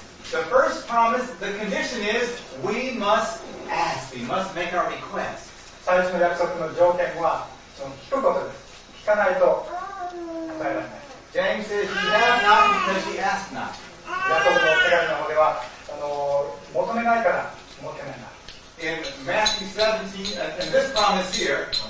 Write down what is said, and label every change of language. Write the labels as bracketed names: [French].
[English] The first promise, the condition is we must ask, we must make our request. [Japanese] 最初の約束の条件はその聞くことです。聞かないと答えられない。 [English] James says, you have not because you ask not. [Japanese] ヤコブの手紙の方では求めないから持ってないな。 [English] In Matthew 17, and this promise here,